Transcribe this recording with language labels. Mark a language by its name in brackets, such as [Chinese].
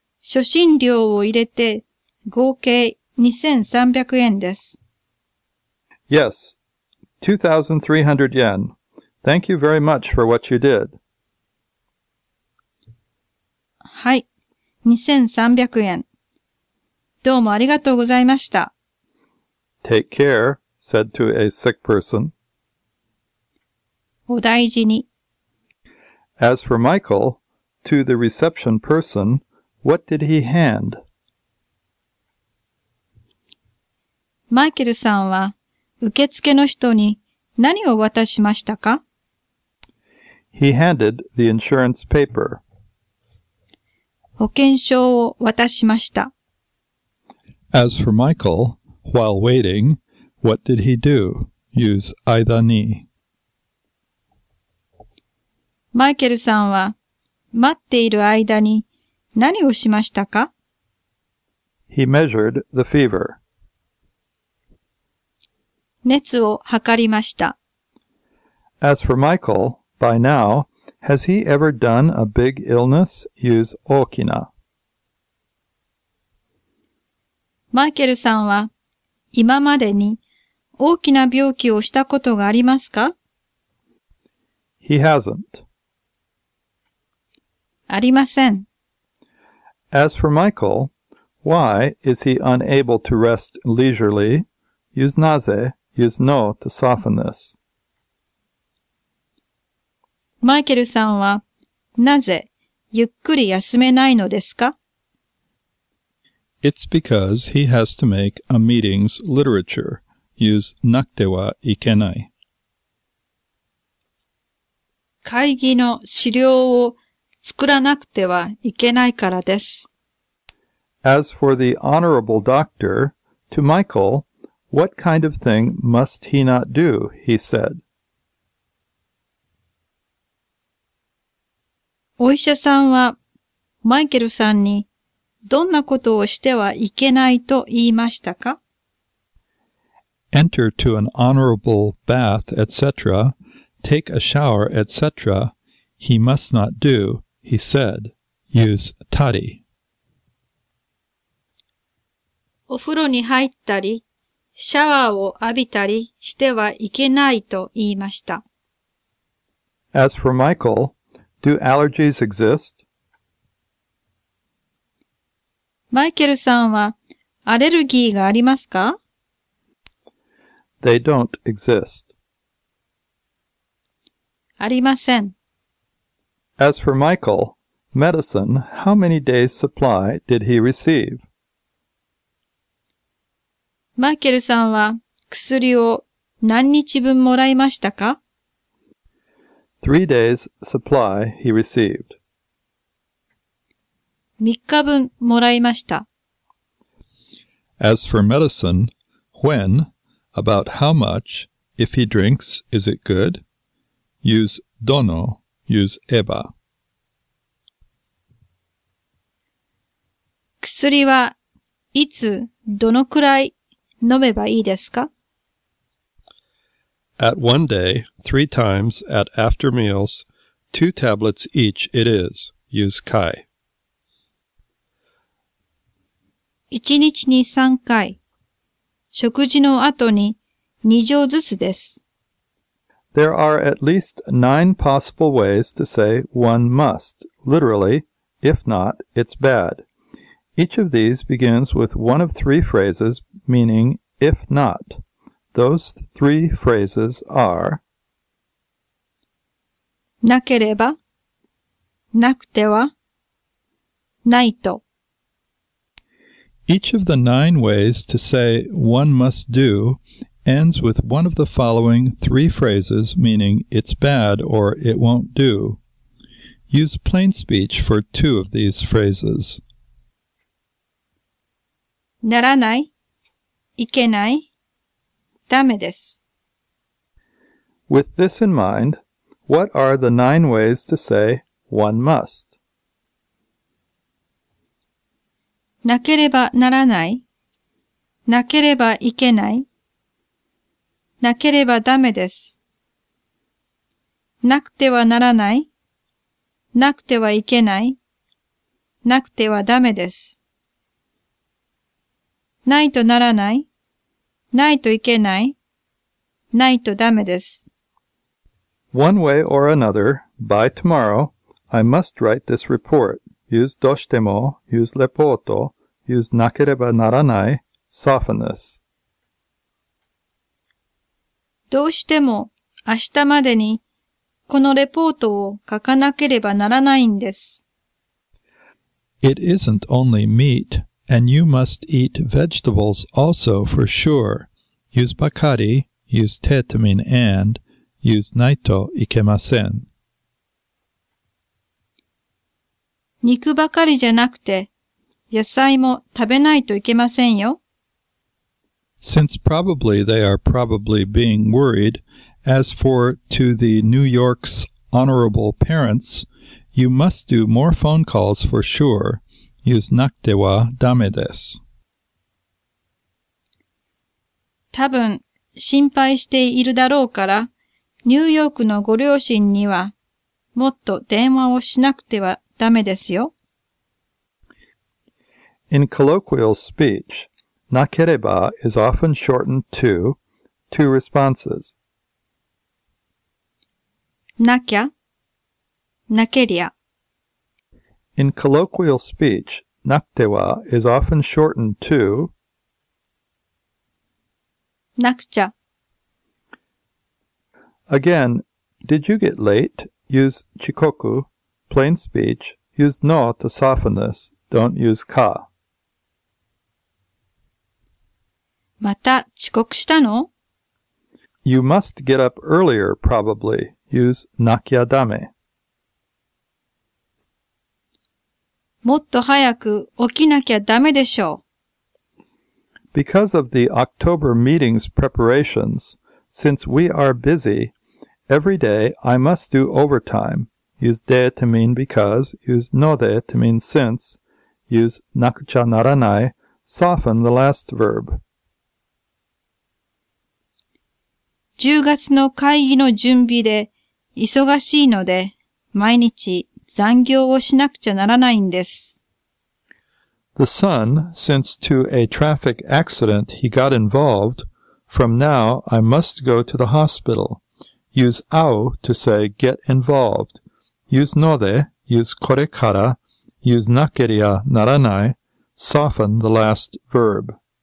[Japanese] 初診料を入れて合計2300円です。 [English] Yes, 2,300 yen. Thank you very much for what you did. [Japanese] はい、2300円。どうもありがとうございました。 [English] Take care, said to a sick person. [Japanese] お大事に。 [English] As for Michael, to the reception person, what did he hand? [Japanese] マイケルさんは受付の人に何を渡しましたか? [English] He handed the insurance paper. [Japanese] 保険証を渡しました。 [English] As for Michael, while waiting, what did he do? Use 間に。 [Japanese] マイケルさんは待っている間に何をしましたか? [English] He measured the fever. [Japanese] 熱を測りました。 [English] As for Michael, by now, has he ever done a big illness? Use 大きな。 [Japanese] マイケルさんは今までに大きな病気をしたことがありますか? [English] He hasn't. [Japanese] ありません。 [English] As for Michael, why is he unable to rest leisurely? Use なぜ, use no to soften this. [Japanese] マイケルさんはなぜゆっくり休めないのですか? [English] It's because he has to make a meeting's literature. Use なくてはいけない。 [Japanese] 会議の資料を作らなくてはいけないからです。 [English] As for the honorable doctor, to Michael, what kind of thing must he not do, he said. [Japanese] お医者さんはマイケルさんにどんなことをしてはいけないと言いましたか? [English] Enter to an honorable bath, etc., take a shower, etc., he must not do, he said. Use たり。 [Japanese] お風呂に入ったり、シャワーを浴びたりしてはいけないと言いました。 [English] As for Michael, do allergies exist? [Japanese] マイケルさんはアレルギーがありますか? [English] They don't exist. [Japanese] ありません。 [English] As for Michael, medicine, how many days supply did he receive? [Japanese] マイケルさんは薬を何日分もらいましたか? [English] 3 days supply he received. [Japanese] 3日分もらいました。 [English] As for medicine, when, about how much, if he drinks, is it good? Use どの, use えば。 [Japanese] 薬はいつ、どのくらい飲めばいいですか? [English] At one day, 3 times at after meals, 2 tablets each it is. Use kai. [Japanese] 1日に3回、食事の後に2錠ずつです。 [English] There are at least 9 possible ways to say one must. Literally, if not, it's bad. Each of these begins with one of 3 phrases meaning if not. Those 3 phrases are [Japanese] なければ、なくては、ないと。 [English] Each of the 9 ways to say one must do ends with one of the following 3 phrases meaning it's bad or it won't do. Use plain speech for 2 of these phrases. [Japanese] ならない、いけない、ダメです。 [English] With this in mind, what are the 9 ways to say one must? [Japanese] なければならない、なければいけない、なければダメです。なくてはならない、なくてはいけない、なくてはダメです。ないとならない、ないといけない、ないとダメです。 [English] One way or another, by tomorrow, I must write this report. Use どうしても, use レポート, use なければならない, soften this. [Japanese] どうしても明日までにこのレポートを書かなければならないんです。 [English] It isn't only meat, and you must eat vegetables also for sure. Use Bacardi, use tetamine and use ないといけません。 [Japanese] 肉ばかりじゃなくて、野菜も食べないといけませんよ。 [English] Since probably they are probably being worried, as for to the New York's honorable parents, you must do more phone calls for sure. Use なくてはダメです。 [Japanese] 多分心配しているだろうから、ニューヨークのご両親にはもっと電話をしなくてはダメですよ。 [English] In colloquial speech,なければ is often shortened to two responses. [Japanese] なきゃ、なけりゃ。 [English] In colloquial speech, なくては is often shortened to [Japanese] なくちゃ。 [English] Again, did you get late? Use 遅刻, plain speech. Use のと soften this. Don't use か。 [Japanese] また遅刻したの? [English] You must get up earlier, probably. Use なきゃダメ。 [Japanese] もっと早く起きなきゃダメでしょう。 [English] Because of the October meeting's preparations, since we are busy, every day I must do overtime. Use でと mean because, use のでと mean since, use なくちゃならない, soften the last verb. [Japanese] 10月の会議の準備で忙しいので毎日残業をしなくちゃならないんです。 [English] The son, since to a traffic accident he got involved, from now I must go to the hospital. Use 会う to say get involved. Use ので, use これから, use なけりゃならない, soften the last verb.